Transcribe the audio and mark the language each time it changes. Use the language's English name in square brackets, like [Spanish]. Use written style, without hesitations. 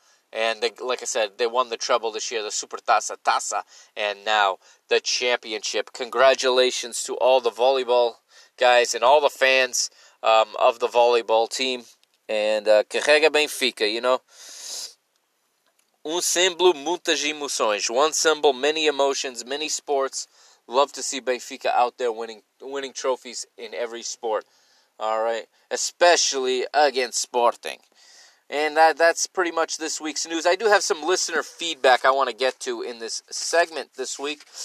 [English] And they, like I said, they won the treble this year, the Supertaça Taça, and now the championship. Congratulations to all the volleyball guys and all the fans of the volleyball team. And carrega Benfica, you know. [Portuguese] Um símbolo, muitas emoções. [English] One symbol, many emotions, many sports. Love to see Benfica out there winning trophies in every sport. All right, especially against Sporting. And that's pretty much this week's news. I do have some listener feedback I want to get to in this segment this week.